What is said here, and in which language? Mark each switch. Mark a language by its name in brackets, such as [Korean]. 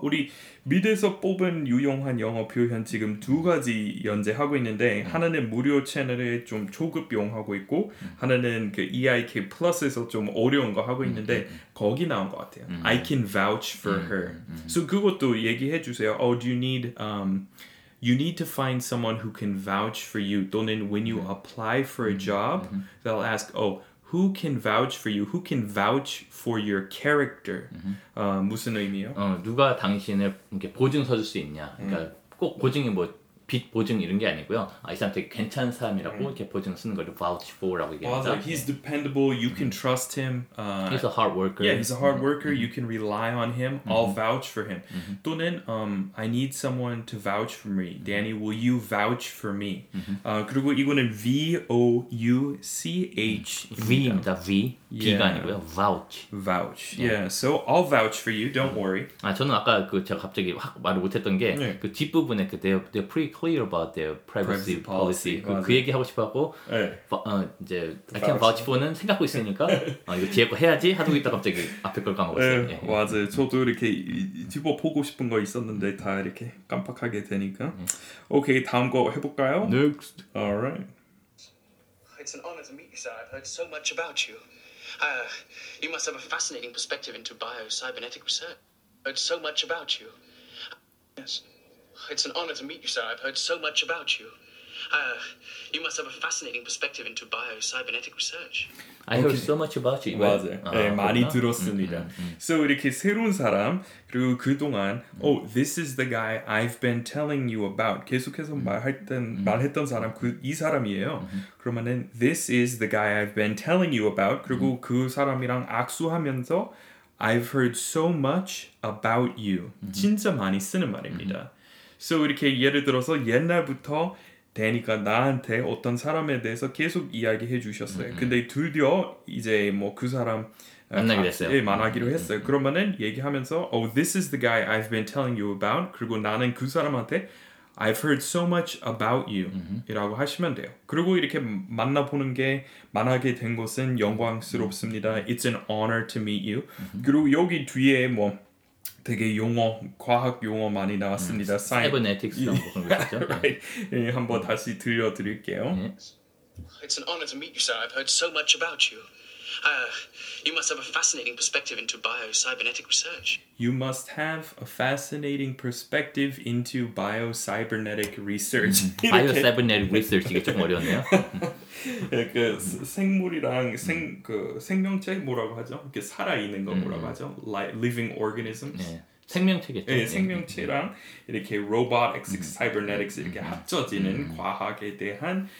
[Korean] 우리 미드에서 뽑은 유용한 영어 표현 지금 두 가지 연재하고 있는데 하나는 무료 채널에 좀 초급용하고 있고 하나는 그 EiK 플러스에서 좀 어려운 거 하고 있는데 거기 나온 것 같아요. [English] I can vouch for her. [Korean] So 그것도 얘기해 주세요. [English] Oh, do you need... You need to find someone who can vouch for you. [Korean] 또는 [English] when you apply for a job, they'll ask, oh, who can vouch for you? Who can vouch for your character? [Korean] 무슨 의미요? 누가 당신을 이렇게 보증서 줄 수 있냐? 그러니까 꼭 보증이 뭐 빚 보증 이런 게 아니고요. 아, 이 사람 되게 괜찮은 사람이라고 이렇게 보증 쓰는 걸 vouch for라고 얘기합니다. [English] Like, he's dependable. You can trust him. He's a hard worker. Yeah, he's a hard worker. You can rely on him. I'll vouch for him. [Korean] 또는 [English] I need someone to vouch for me. Danny, will you vouch for me? [Korean] 그리고 이거는 V-O-U-C-H. V입니다. V. [English] Yeah. [Korean] V가 아니고요. Vouch. [English] Vouch. Yeah, so I'll vouch for you. Don't worry. [Korean] 아, 저는 아까 그 제가 갑자기 확 말을 못했던 게 그 뒷부분에 그 [English] they're pretty clear about their privacy policy. [Korean] 그 얘기 하고 싶었고 이제 [English] I can vouch for [Korean] 는 생각하고 있으니까 이거 뒤에 거 해야지 하고 있다 갑자기 앞에 걸 까먹었어요. 맞아요. 저도 이렇게 뒷부 보고 싶은 거 있었는데 다 이렇게 깜빡하게 되니까. 오케이, 다음 거 해볼까요? [English] Next. All right. It's an honor to meet you, sir. I've heard so much about you. You must have a fascinating perspective into bio-cybernetic research. I've heard so much about you. Yes. It's an honor to meet you, sir. I've heard so much about you. You must have a fascinating perspective into bio-cybernetic research. I heard so much about you. [Korean] 맞아요. 네, 많이 들었습니다. So 이렇게 새로운 사람, 그리고 그동안 [English] oh, this is the guy I've been telling you about. [Korean] 계속해서 말했던 사람, 이 사람이에요. 그러면은 [English] this is the guy I've been telling you about. [Korean] 그리고 그 사람이랑 악수하면서 [English] I've heard so much about you. [Korean] 진짜 많이 쓰는 말입니다. So 이렇게 예를 들어서 옛날부터 되니까 나한테 어떤 사람에 대해서 계속 이야기해 주셨어요. 근데 드디어 이제 뭐 그 사람 만나게 됐어요. 만나기로 했어요. 그러면은 얘기하면서 [English] Oh, this is the guy I've been telling you about. [Korean] 그리고 나는 그 사람한테 [English] I've heard so much about you. [Korean] 이라고 하시면 돼요. 그리고 이렇게 만나보는 게 만나게 된 것은 영광스럽습니다. [English] It's an honor to meet you. [Korean] 그리고 여기 뒤에 뭐 되게 용어, 과학 용어 많이 나왔습니다. Cybernetics 이런 거 그랬죠? [English] Right. [Korean] 예, 한번 다시 들려드릴게요. [English] It's an honor to meet you, sir. I've heard so much about you. You must have a fascinating perspective into bio-cybernetic research. You must have a fascinating perspective into bio-cybernetic research. [Korean] Bio-cybernetic research 이게 조금 어려웠네요. 예, 그 생물이랑 그 생명체 뭐라고 하죠? 이렇게 살아있는 거 뭐라고 하죠? [English] Living organisms. [Korean] 예. 생명체겠죠. 예, 생명체랑 이렇게 robotics, cybernetics 이렇게 합쳐지는 과학에 대한